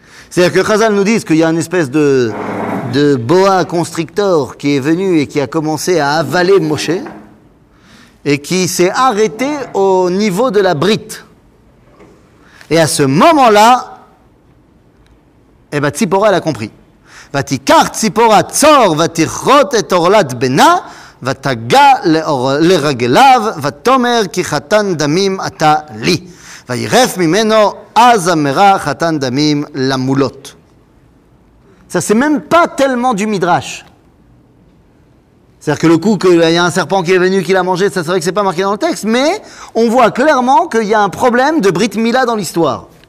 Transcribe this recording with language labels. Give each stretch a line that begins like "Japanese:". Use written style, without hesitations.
French: C'est-à-dire que Chazal nous dit qu'il y a une espèce de boa constrictor qui est venu et qui a commencé à avaler Moshe et qui s'est arrêté au niveau de la brite. Et à ce moment-là, eh ben, Tzipora, elle a compris.
Hebrew: « Vatikar Tzipora tzor vatirot et orlat bena » ותגא לרגליו, ותאמר כי חתן דמים אתה לי. וירף ממנו, אז אמרה חתן דמים למולות.
French: Ça, c'est même pas tellement du midrash. C'est-à-dire que le coup qu'il y a un serpent qui est venu, qui l'a mangé, ça, c'est vrai que c'est pas marqué dans le texte, mais on voit clairement qu'il y a un problème de Brit Mila dans l'histoire.